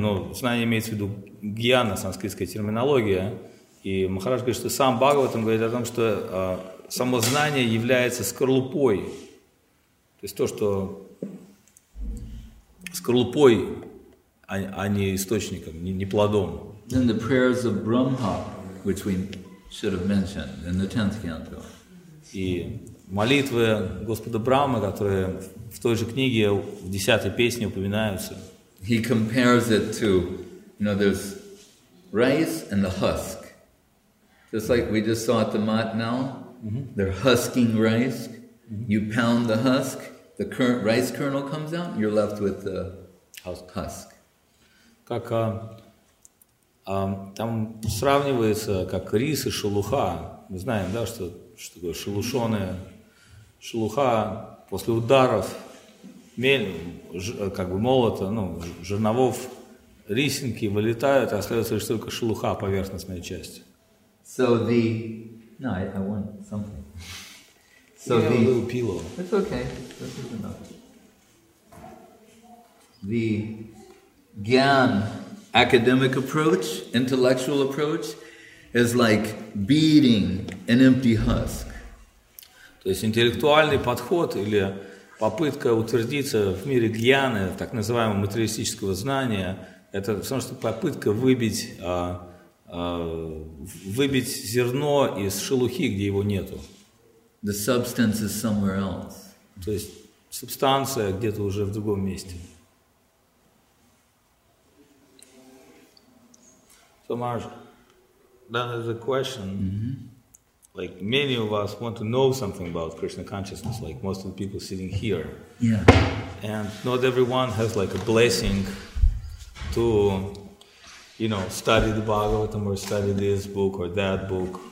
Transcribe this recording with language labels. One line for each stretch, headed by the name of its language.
Russian: Ну, знание имеется в виду гьяна, санскритская терминология. И Махарадж говорит, что сам Бхагаватам говорит о том, что само знание является скорлупой. То есть то, что скорлупой, а не источником, не плодом.
English: Then the prayers of Brahma, which we should have mentioned in the 10th canto.
Russian: И молитвы Господа Брахмы, которые в той же книге, в 10-й песне упоминаются.
English: He compares it to, you know, there's rice and the husk. Just like we just saw at the mat now, they're husking rice. You pound the husk, the rice kernel comes out, you're left with the husk.
Russian: Как... там сравнивается как рис и шелуха. Мы знаем, да, что такое шелушоная шелуха после ударов молота, ну, жерновов рисинки вылетают, а остается лишь только шелуха поверхностной части.
English: So the... No, I want something. So the... A little pillow. It's okay. This is enough. The gyan... Academic approach, intellectual approach, is like beating an empty husk. То есть интеллектуальный подход или попытка утвердиться в мире гьяны, так называемого материалистического знания, это в том, что попытка выбить зерно из шелухи, где его нету. The substance is somewhere else. То есть субстанция где-то уже в другом месте. So Marge, then there's a question, like many of us want to know something about Krishna consciousness, like most of the people sitting here. Yeah. And not everyone has like a blessing to, you know, study the Bhagavatam or study this book or that book.